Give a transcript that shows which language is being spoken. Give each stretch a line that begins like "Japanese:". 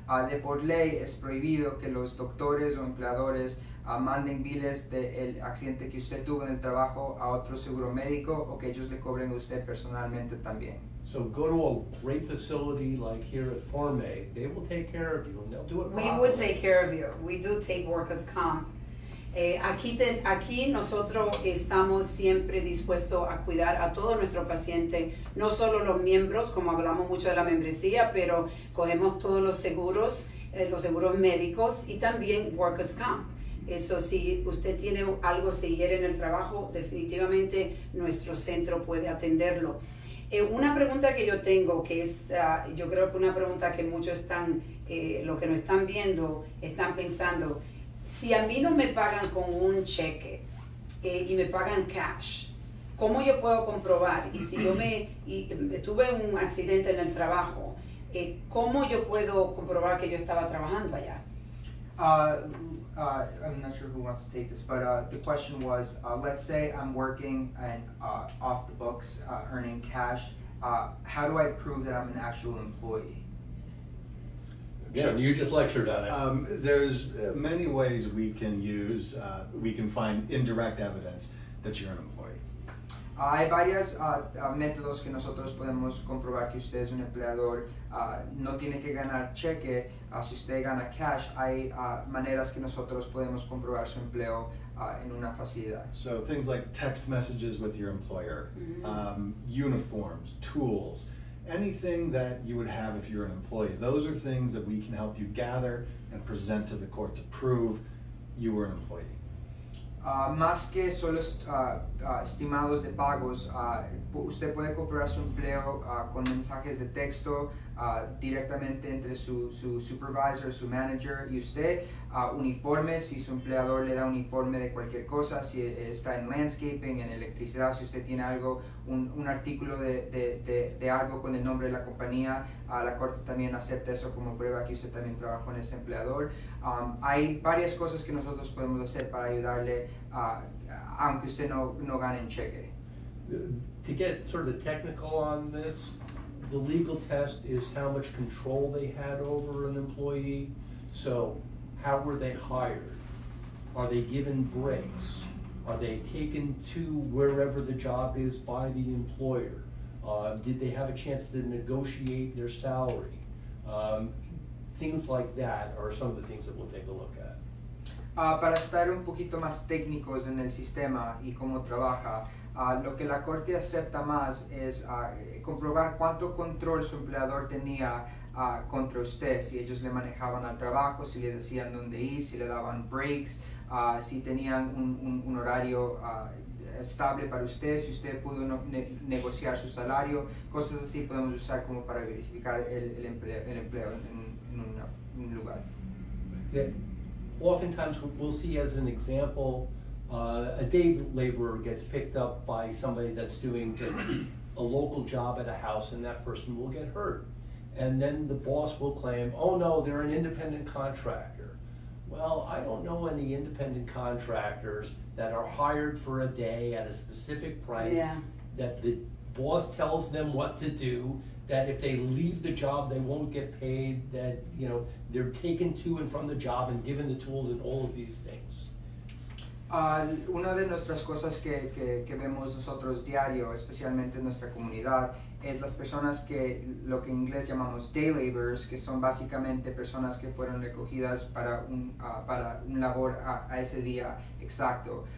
Spanish: De por ley es prohibido que los doctores o empleadores manden biles del accidente que usted tuvo en el trabajo a otro seguro médico o que ellos le cobren a usted personalmente también.
English: So go to a great facility like here at Formé. They will take care of you and they'll do it properly. We would take care of you. We do take workers' comp.
Spanish: Aquí nosotros estamos siempre dispuestos a cuidar a todo nuestro paciente, no solo los miembros, como hablamos mucho de la membresía, pero cogemos todos los seguros médicos y también workers' comp. Eso, si usted tiene algo, se hiere en el trabajo, definitivamente nuestro centro puede atenderlo. Una pregunta que yo tengo, que es, yo creo que una pregunta que muchos están, los que nos están viendo, están pensando, si a mí no me pagan con un cheque y me pagan cash, ¿cómo yo puedo comprobar? Y si yo tuve un accidente en el trabajo, ¿cómo yo puedo comprobar que yo estaba trabajando allá?
English: I'm not sure who wants to take this, but the question was, let's say I'm working and off the books, earning cash. How do I prove that I'm an actual employee? Yeah, you just lectured on it. There's many ways we can use, we can find indirect evidence that you're an employee.
Spanish: Hay varias métodos que nosotros podemos comprobar que usted es un empleador. No tiene que ganar cheque. Si usted gana cash, hay maneras que nosotros podemos comprobar su empleo en una facilidad.
English: So things like text messages with your employer, uniforms, tools, anything that you would have if you're an employee. Those are things that we can help you gather and present to the court to prove you were an employee.
Spanish: Más que solo estimados de pagos, usted puede comprobar su empleo con mensajes de texto directamente entre su supervisor, su manager y usted. Uniforme, si su empleador le da uniforme de cualquier cosa, si está en landscaping, en electricidad, si usted tiene algo, un artículo de algo con el nombre de la compañía, la corte también acepta eso como prueba que usted también trabajó con ese empleador. Hay varias cosas que nosotros podemos hacer para ayudarle, aunque usted no gane en cheque.
English: To get sort of the technical on this, the legal test is how much control they had over an employee. So how were they hired? Are they given breaks? Are they taken to wherever the job is by the employer? Did they have a chance to negotiate their salary? Things like that are some of the things that we'll take a look at.
Spanish: Para estar un poquito más técnicos en el sistema y cómo trabaja, lo que la corte acepta más es comprobar cuánto control su empleador tenía contra usted, si ellos le manejaban al trabajo, si le decían dónde ir, si le daban breaks, si tenían un horario estable para usted, si usted pudo negociar su salario, cosas así podemos usar como para verificar el empleo en un lugar.
English: Okay. Oftentimes we'll see as an example, a day laborer gets picked up by somebody that's doing just a local job at a house and that person will get hurt. And then the boss will claim, oh no, they're an independent contractor. Well, I don't know any independent contractors that are hired for a day at a specific price, yeah, that the boss tells them what to do, that if they leave the job, they won't get paid, that, you know, they're taken to and from the job and given the tools and all of these things.
Spanish: Una de nuestras cosas que vemos nosotros diario, especialmente en nuestra comunidad, es las personas que, lo que en inglés llamamos day laborers, que son básicamente personas que fueron recogidas para un labor a ese día exacto.